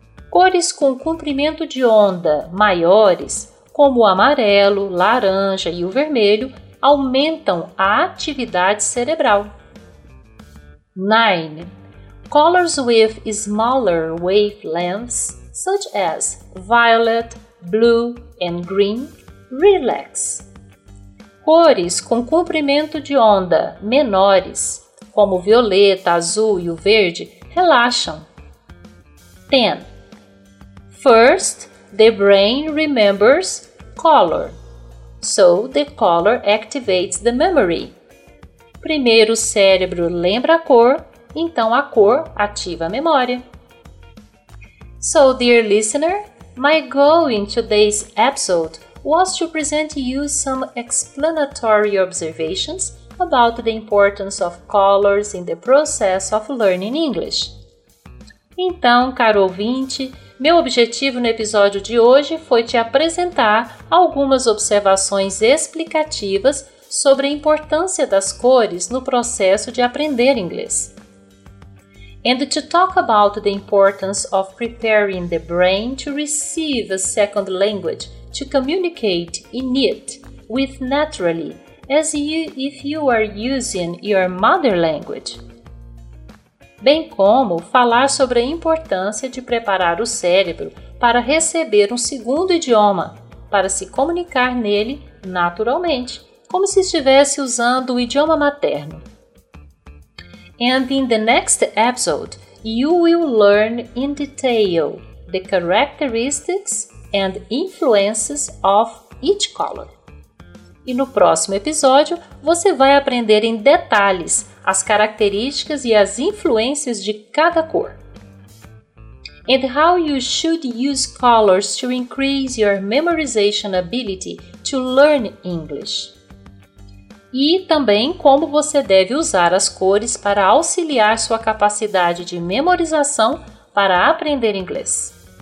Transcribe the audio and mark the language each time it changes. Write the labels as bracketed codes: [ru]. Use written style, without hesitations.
[pt] Cores com comprimento de onda maiores, como o amarelo, laranja e o vermelho, aumentam a atividade cerebral. 9. [en] Colors with smaller wavelengths, such as violet, blue, and green, relax. [pt] Cores com comprimento de onda menores, como o violeta, azul e o verde, relaxam. 10. [en] First, the brain remembers color, so the color activates the memory. [pt] Primeiro o cérebro lembra a cor, então a cor ativa a memória. [en] So, dear listener, my goal in today's episode was to present you some explanatory observations about the importance of colors in the process of learning English. [pt] Então, caro ouvinte, meu objetivo no episódio de hoje foi te apresentar algumas observações explicativas sobre a importância das cores no processo de aprender inglês. [en] And to talk about the importance of preparing the brain to receive a second language, to communicate in it with naturally, as you, if you are using your mother language. [pt] Bem como falar sobre a importância de preparar o cérebro para receber um segundo idioma, para se comunicar nele naturalmente, como se estivesse usando o idioma materno. [en] And in the next episode, you will learn in detail the characteristics and influences of each color. [pt] E no próximo episódio, você vai aprender em detalhes as características e as influências de cada cor. [en] And how you should use colors to increase your memorization ability to learn English. [pt] E também como você deve usar as cores para auxiliar sua capacidade de memorização para aprender inglês.